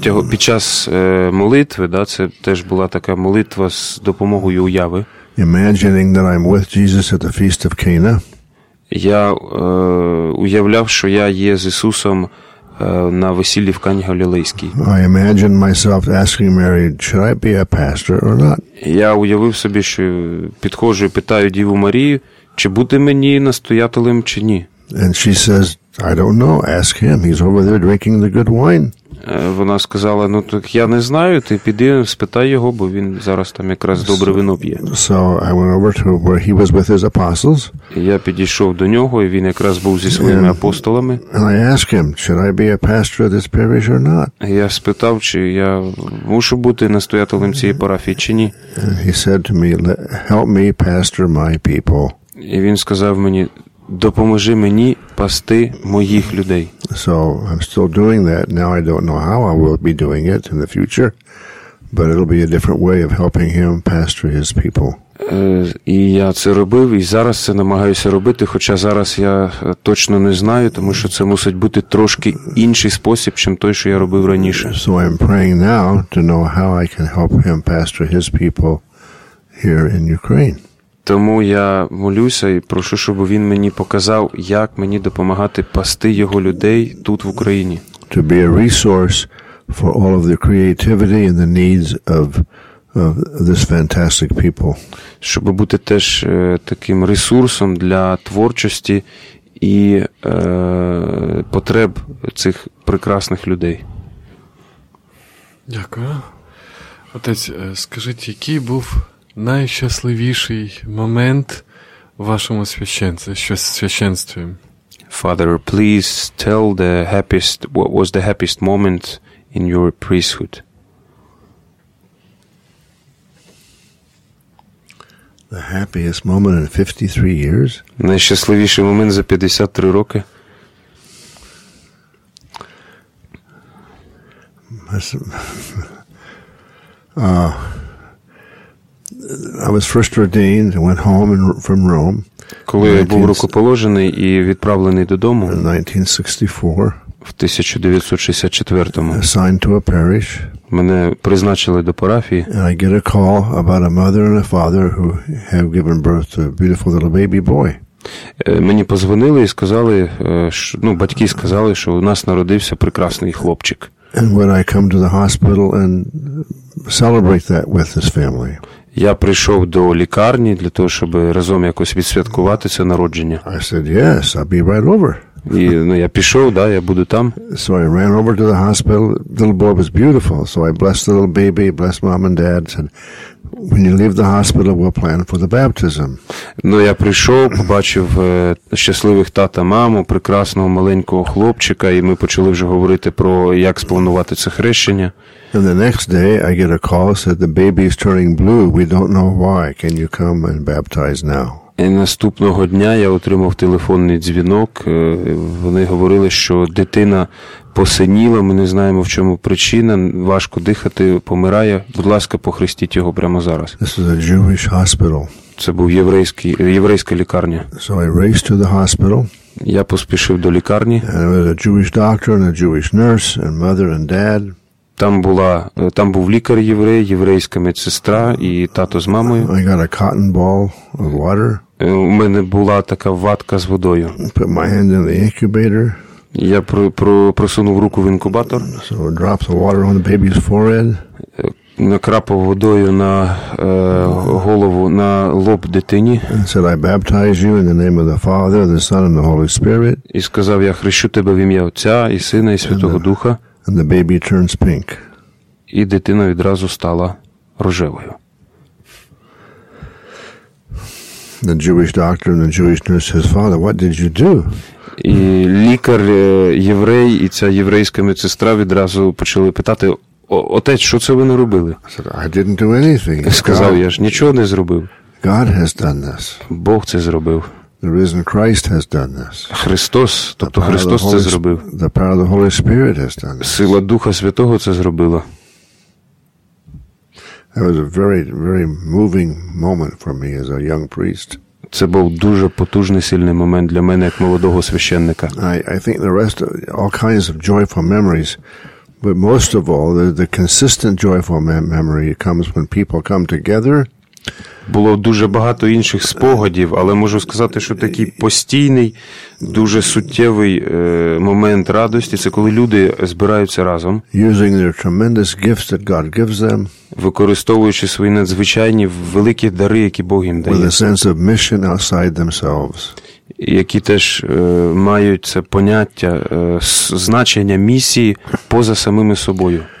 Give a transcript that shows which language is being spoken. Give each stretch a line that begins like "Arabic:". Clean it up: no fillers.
Ukrainian: Під час молитви, да, це теж була така молитва з допомогою уяви.
English: Imagining that I'm with Jesus at the feast of Cana.
Ukrainian: Я уявляв, що я є з Ісусом на весіллі в Кані Галілейській.
English: I imagined myself asking Mary, should I be a pastor or not?
Ukrainian: Я уявив собі, що підходжу і питаю Діву Марію, чи бути мені настоятелем чи ні.
English: And she says, I don't know, ask him. He's over there drinking the good wine.
Ukrainian: Вона сказала, ну так я не знаю, ти піди, спитай його, бо він зараз там якраз добре вино п'є.
English: So I went over to where he was with his apostles.
Ukrainian: Я підійшов до нього, і він якраз був зі своїми апостолами.
English: And I asked him, should I be a pastor of this parish or not?
Ukrainian: Я спитав, чи я мушу бути настоятелем цієї парафії, чи ні.
English: He said to me, help me pastor my people.
Ukrainian: І він сказав мені, допоможи мені пасти моїх людей.
English: So I'm still doing that. Now I don't know how I will be doing it in the future, but it'll be a different way of helping him pastor his people.
Ukrainian: І я це робив, і зараз це намагаюся робити, хоча зараз я точно не знаю, тому що це мусить бути трошки інший спосіб, чим той, що я робив раніше.
English: So I'm praying now to know how I can help him pastor his people here in Ukraine.
Ukrainian: Тому я молюся і прошу, щоб він мені показав, як мені допомагати пасти його людей тут в Україні.
English: To be a resource for all of the creativity and the needs of this fantastic people.
Ukrainian: Щоб бути теж таким ресурсом для творчості і потреб цих прекрасних людей. Дякую. Отець, скажіть, який був найщасливіший момент в вашому священстві?
English: Father, please tell the happiest, what was the happiest moment in your priesthood? The happiest moment in 53 years?
Ukrainian: Найщасливіший момент за 53 роки?
English: I was first ordained and went home from Rome.
Ukrainian: Коли я був рукоположений і відправлений додому.
English: In 1964.
Ukrainian: В 1964-му.
English: Assigned to a parish.
Ukrainian: Мене призначили до парафії.
English: And I get a call about a mother and a father who have given birth to a beautiful little baby boy.
Ukrainian: Мені позвонили і сказали, що, ну, батьки сказали, що у нас народився прекрасний хлопчик.
English: And when I come to the hospital and celebrate that with his family.
Ukrainian: Я прийшов до лікарні для того, щоб разом якось відсвяткувати це народження.
English: I said, yes, I'll be right over.
Ukrainian: І, ну, я пішов, да, я буду там.
English: So I ran over to the hospital. Little boy was beautiful. So I blessed the little baby, blessed mom and dad, said, when you leave the hospital, we'll plan for the baptism.
Ukrainian: Ну, я прийшов, побачив щасливих тата, маму, прекрасного маленького хлопчика, і ми почали вже говорити про, як спланувати це хрещення.
English: And the next day I get a call, said the baby is turning blue, we don't know why, can you come and baptize now?
Ukrainian: І наступного дня я отримав телефонний дзвінок, вони говорили, що дитина посиніла, ми не знаємо в чому причина, важко дихати, помирає, будь ласка, похрестіть його прямо зараз.
English: This is a Jewish hospital.
Ukrainian: Це був єврейська лікарня.
English: So I raced to the hospital.
Ukrainian: Я поспішив до лікарні.
English: And there was a Jewish doctor and a Jewish nurse and mother and dad.
Ukrainian: Там був лікар єврей, єврейська медсестра і тато з мамою.
English: I got a cotton ball of water.
Ukrainian: У мене була така ватка з водою.
English: Put my hand in the incubator.
Ukrainian: Я просунув руку в інкубатор.
English: So drop the water on the baby's forehead.
Ukrainian: Накрапав водою на голову, на лоб дитині.
English: And said, I baptize you in the name of the Father, the Son, and the Holy Spirit.
Ukrainian: І сказав, я хрещу тебе в ім'я Отця і Сина, і Святого Духа.
English: And the baby turns pink.
Ukrainian: І дитина відразу стала рожевою.
English: The Jewish doctor and the Jewish nurse says, Father, what did you do?
Ukrainian: І лікар єврей і ця єврейська медсестра відразу почали питати, отець, що це ви наробили?
English: I said, I didn't do anything.
Ukrainian: Сказав, я ж нічого не зробив.
English: God has done this.
Ukrainian: Бог це зробив.
English: The risen Christ has done this.
Ukrainian: Христос, тобто Христос це зробив.
English: The power of the Holy Spirit has done this.
Ukrainian: Сила Духа Святого це зробила.
English: That was a very, very moving moment for me as a young priest.
Ukrainian: Це був дуже потужний, сильний момент для мене як молодого священника.
English: I think the rest of all kinds of joyful memories, but most of all the consistent joyful memory comes when people come together.
Ukrainian: Було дуже багато інших спогадів, але можу сказати, що такий постійний, дуже суттєвий момент радості – це коли люди збираються разом,
English: using their tremendous gifts that God gives them,
Ukrainian: використовуючи свої надзвичайні великі дари, які Бог їм дає,
English: with a sense of mission outside themselves,
Ukrainian: які теж мають це поняття значення місії поза самими собою.